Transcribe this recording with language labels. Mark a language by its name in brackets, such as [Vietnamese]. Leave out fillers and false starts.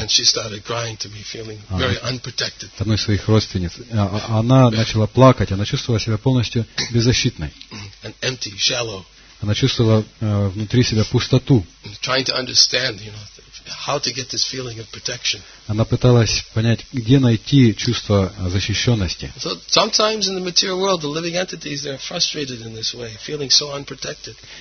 [English] And she started crying to me, feeling very unprotected. [Russian] Одной из своих родственниц. Она начала плакать. Она чувствовала себя полностью беззащитной. [English] And empty, shallow. [Russian] Она чувствовала внутри себя пустоту. [English] Trying to understand, you know, how to get this feeling of protection. [Russian] Она пыталась понять, где найти чувство защищенности. [English] So sometimes in the material world, the living entities they're frustrated in this way, feeling so unprotected.